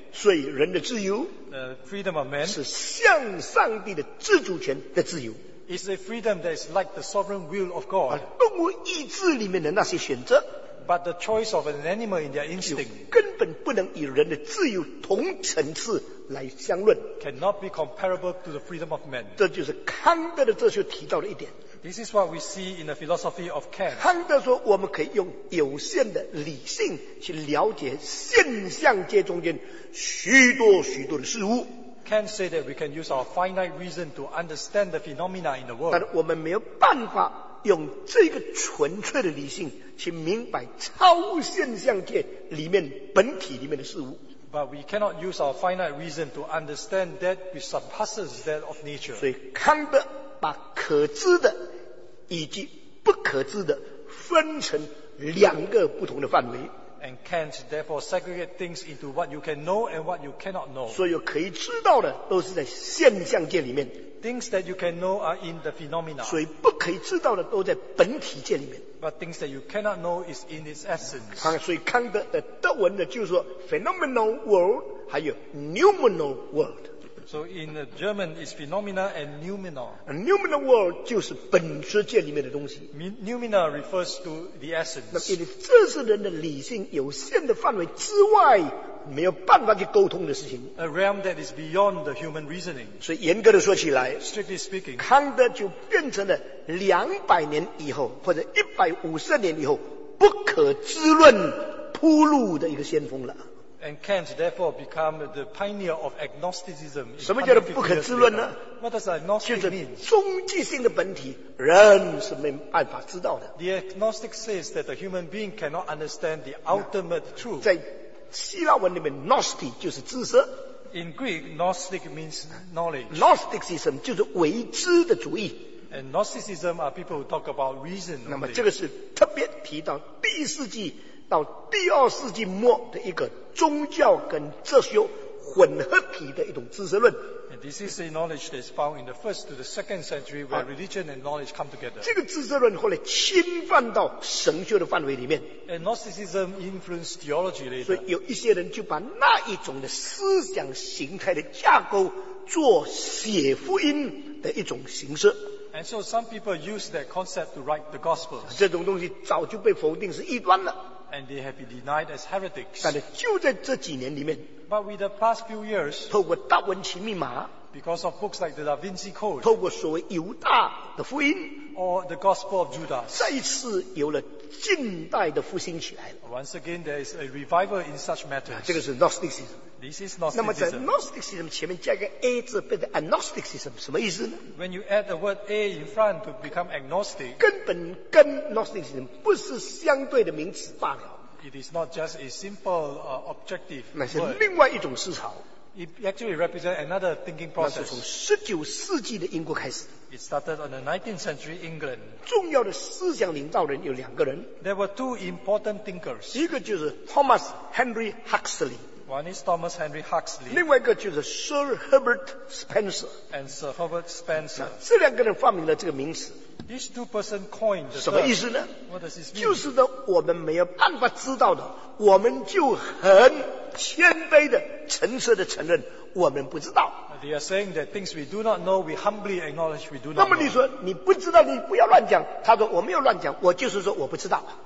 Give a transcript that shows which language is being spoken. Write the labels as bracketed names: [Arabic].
[Chinese] 所以人的自由， [English] the freedom of man, [Chinese] 是向上帝的自主权的自由。 [English] It's a freedom that is like the sovereign will of God. [Chinese] 而动物意志里面的那些选择， [English] But the choice of an animal in their instinct [Chinese] 根本不能与人的自由同层次来相论， [English] cannot be comparable to the freedom of man. [Chinese] 这就是康德的哲学提到的一点。 [English] This is what we see in the philosophy of Kant. [Chinese] 康德说我们可以用有限的理性去了解现象界中间许多许多的事物。 [English] Kant said that we can use our finite reason to understand the phenomena in the world. [Chinese] 但我们没有办法用这个纯粹的理性去明白超现象界里面本体里面的事物。 [English] But we cannot use our finite reason to understand that which surpasses that of nature. [Chinese] 所以康德把可知的以及不可知的分成两个不同的范围。 [English] And Kant therefore segregate things into what you can know and what you cannot know. [Chinese] 所有可以知道的都是在现象界里面。 [English] Things that you can know are in the phenomena. [Chinese] 所以不可以知道的都在本体界里面。 [English] But things that you cannot know is in its essence. [Chinese] 所以康德的德文呢，就是说 phenomenal world 还有 noumenal world。 [English] So in the German is phenomena and noumenal. [Chinese] Noumenal world 就是本质界里面的东西。 [English] Noumenal refers to the essence. [Chinese] 那因为这是人的理性有限的范围之外没有办法去沟通的事情。 [English] A realm that is beyond the human reasoning. [Chinese] 所以严格的说起来 [English] ，Strictly speaking， [Chinese] 康德就变成了两百年以后或者一百五十年以后不可知论铺路的一个先锋了。 [English] And Kant therefore become the pioneer of agnosticism. [Chinese] 什么叫做不可知论呢？ [English] What does agnostic mean? [Chinese] 终极性的本体，人是没办法知道的。 [English] The agnostic says that the human being cannot understand the ultimate truth. [Chinese] 在希腊文里面 ，gnosti 就是知识。 [English] In Greek, gnostic means knowledge. [Chinese] Gnosticism 就是未知的主义。 [English] And gnosticism are people who talk about reason. [Chinese] 那么这个是特别提到第一世纪。到第二世纪末的一个宗教跟哲学混合体的一种知识论。 [English] And this is the knowledge that is found in the first to the second century where religion and knowledge come together. [Chinese] 这个知识论后来侵犯到神学的范围里面。 [English] And Gnosticism influenced theology later. [Chinese] 所以有一些人就把那一种的思想形态的架构做写福音的一种形式。 [English] And so some people use that concept to write the gospel. [Chinese] 这种东西早就被否定是异端了。 [English] And they have been denied as heretics. [Chinese] 但是就在这几年里面 [English] ，But with the past few years， [Chinese] 透过《达文奇密码》 [English] ，Because of books like the Da Vinci Code， [Chinese] 透过所谓犹大的福音 [English] ，Or the Gospel of Judas， [Chinese] 再次有了近代的复兴起来了。 [English] Once again, there is a revival in such matters. [Chinese] 这个是 Gnosticism。 [English] This is Gnosticism. [Chinese] 那么在 Gnosticism 前面加个 A 字，变成 Agnosticism， 什么意思呢 [English] ？When you add the word A in front to become agnostic， [Chinese] 根本跟 Gnosticism 不是相对的名词罢了。 [English] It is not just a simple objective word. [Chinese] 那是另外一种思潮。 [English] It actually represents another thinking process. [Chinese] 那是从19世纪的英国开始。 [English] It started on the 19th century England. [Chinese] 重要的思想领导人有两个人。 [English] There were two important thinkers. [Chinese] 一个就是 Thomas Henry Huxley。 [English] One is Thomas Henry Huxley. [Chinese] 另外一个就是 Sir Herbert Spencer. [English] And Sir Herbert Spencer. [Chinese] 这两个人发明了这个名词。 [English] These two person coined. [Chinese] 什么意思呢？ [English] What does this mean? [Chinese] 就是呢，我们没有办法知道的，我们就很谦卑的、诚实的承认我们不知道。 [English] They are saying that things we do not know, we humbly acknowledge we do not know. [Chinese] 那么你说你不知道，你不要乱讲。他说我没有乱讲，我就是说我不知道。